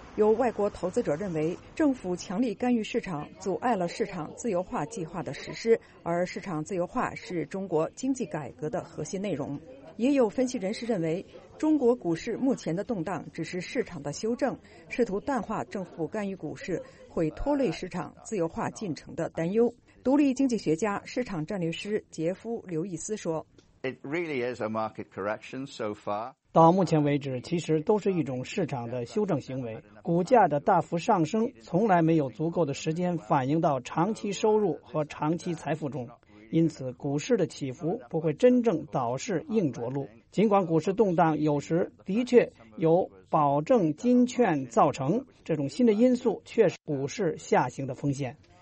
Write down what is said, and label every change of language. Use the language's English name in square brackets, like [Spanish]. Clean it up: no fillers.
[Chinese] 有外国投资者认为，政府强力干预市场阻碍了市场自由化计划的实施，而市场自由化是中国经济改革的核心内容。也有分析人士认为，中国股市目前的动荡只是市场的修正，试图淡化政府干预股市会拖累市场自由化进程的担忧。独立经济学家、市场战略师杰夫·刘易斯说， [English] It really is a market correction so far. [Chinese] 到目前为止，其实都是一种市场的修正行为。股价的大幅上升从来没有足够的时间反映到长期收入和长期财富中，因此股市的起伏不会真正导致硬着陆。尽管股市动荡有时的确由保证金券造成，这种新的因素确实股市下行的风险。